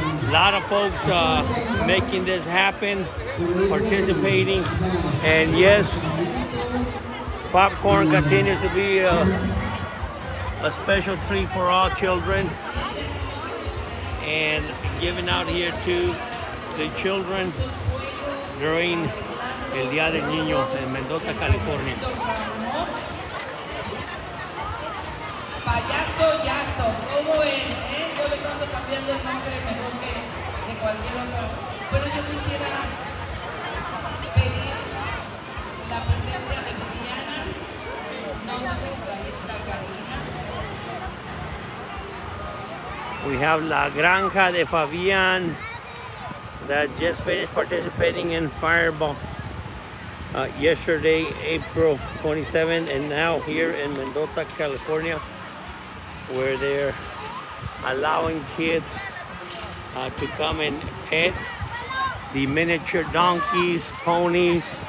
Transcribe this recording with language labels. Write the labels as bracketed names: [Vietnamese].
[English] A lot of folks making this happen, participating, and yes, popcorn continues to be a special treat for all children, and giving out here to the children during El Día del Niño in Mendoza, California. [Spanish] Payaso Yaso, como en, yo les ando cambiando el nombre mejor que de cualquier otro. Pero yo quisiera pedir la presencia de Viviana, no de esta Karina. [English] We have La Granja de Fabian that just finished participating in Fireball yesterday, April 27th, and now here in Mendoza, California, where they're allowing kids to come and pet the miniature donkeys, ponies.